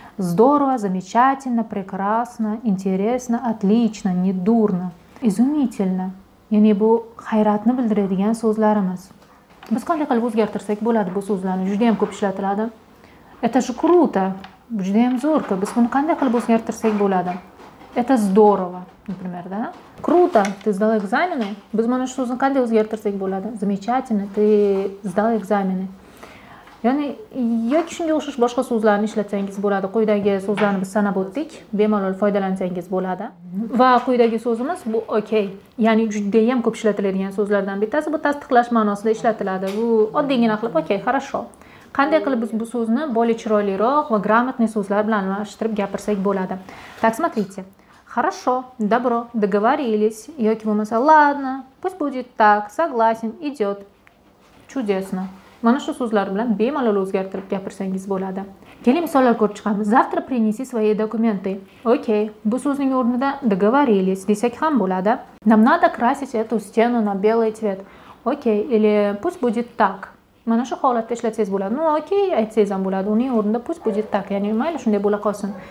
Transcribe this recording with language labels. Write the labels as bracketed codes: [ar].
[ru] Здорово, замечательно, прекрасно, интересно, отлично, недурно. [uz] Изумительно. Ya'ni bu hayratni bildiradigan so'zlarimiz. Biz qanday qilib o'zgartirsak bo'ladi bu so'zlarni? Juda ham ko'p ishlatiladi. [ru] Это же круто. [uz] Juda ham zo'r-ku. Biz buni qanday qilib o'zgartirsak bo'ladi? [ru] Это здорово, например, да? Круто, ты сдал экзамены. [uz] Biz mana shu so'zni qanday o'zgartirsak bo'ladi? [ru] Замечательно, ты сдал экзамены. [uz] Ya'ni yoki shunga o'xshash boshqa so'zlarni ishlatsangiz bo'ladi. Quyidagi so'zlarni biz sanab o'tdik. Bemalol foydalansangiz bo'ladi. Va quyidagi so'zimiz bu okay. Ya'ni juda ham ko'p ishlatiladigan so'zlardan bittasi bu tasdiqlash ma'nosida ishlatiladi. Bu oddiygina qilib okay, хорошо. Qanday qilib biz bu so'zni более chiroyliroq va grammatikali so'zlar bilan almashtirib gapirsak bo'ladi? [ru] Так, смотрите. Хорошо, добро, договорились. [uz] Yoki bo'lmasa, [ru] ладно, пусть будет так, согласен, идет. [uz] Чудесно. Mana shu so'zlar bilan bemalol o'zgartirib gapirsangiz bo'ladi. Keling misollar ko'rib chiqamiz. [ru] Завтра принеси свои документы. Окей. [uz] Bu so'zning o'rnida договорились desak ham bo'ladi. [ru] Нам надо красить эту стену на белый цвет. Окей. Или пусть будет так. [uz] Mana shu holatda ishlatsangiz bo'ladi. [ru] Ну, окей, [uz] aytsangiz ham bo'ladi. Uning o'rnida [ru] пусть будет так, [uz] ya'ni mayli shunday bo'la qolsin.